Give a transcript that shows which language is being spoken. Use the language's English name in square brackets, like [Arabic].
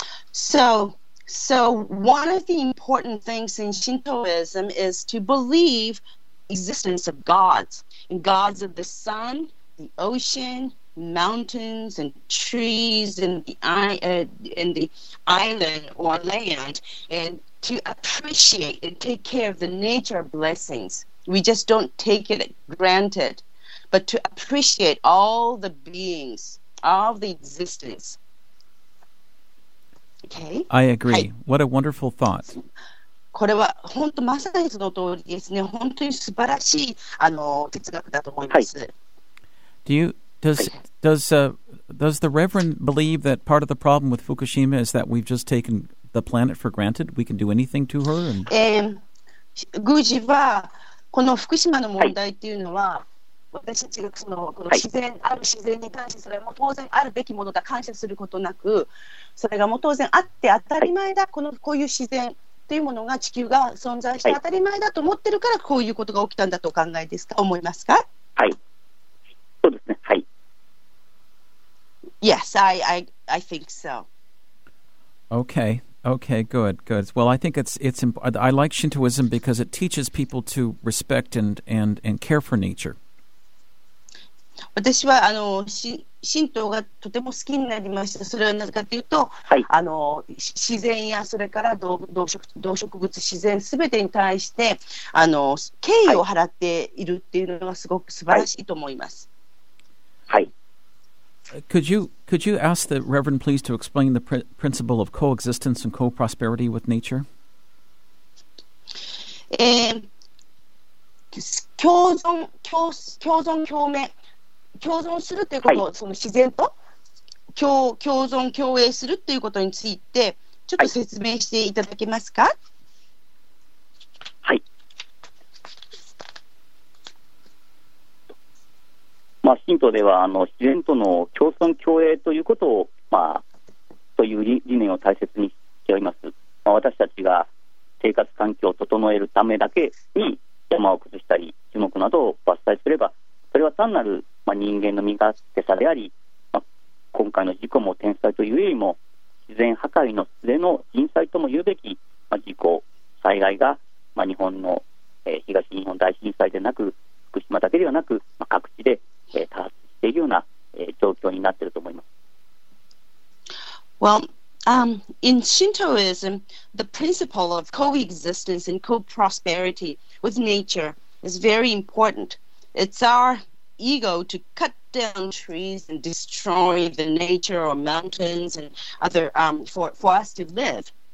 [English] So one of the important things in Shintoism is to believe existence of gods, and gods of the sun, the ocean, mountains, and trees, and the island or land, and to appreciate and take care of the nature blessings. We just don't take it granted, but to appreciate all the beings, all the existence. I agree. What a wonderful thought. [Japanese] これは本当まさにその通りですね。本当に素晴らしい哲学だと思います。 [English] Does the Reverend believe that part of the problem with Fukushima is that we've just taken the planet for granted? We can do anything to her? And... [Japanese] 宮司はこの福島の問題っていうのは、私たちがこの自然、はい、ある自然に関してそれも当然あるべきものだ感謝することなくそれがもう当然あって当たり前だ、はい、こういう自然というものが地球が存在して当たり前だと思ってるからこういうことが起きたんだとお考えですか、思いますか。はい、そうですね。はい、 [English] Yes, I think so. Okay, good. Well, I think it's I like Shintoism because it teaches people to respect and care for nature. [Japanese] 私は神道がとても好きになりました。それはなぜかというと、はい、自然やそれから動植物自然すべてに対して敬意を払っているっていうのがすごく素晴らしいと思います。はい、はい、 [English] Could you ask the Reverend please to explain the principle of coexistence and co-prosperity with nature? [Japanese] 共存共鳴共存するということ、はい、その自然と共存共栄するということについてちょっと説明していただけますか。はい、まあ、神道では自然との共存共栄ということを、まあ、という理念を大切にしております。まあ、私たちが生活環境を整えるためだけに山を崩したり樹木などを伐採すればそれは単なる、まあ、人間の身勝手であり、まあ、今回の事故も天災というよりも自然破壊の末の人災とも言うべき、まあ、事故災害が、まあ、日本の、東日本大震災でなく福島だけではなく、まあ、各地で、多発しているような、状況になっていると思います。 [English] Well, in Shintoism, the principle of coexistence and co-prosperity with nature is very important. It's our ego to cut down trees and destroy the nature or mountains and other for us to live.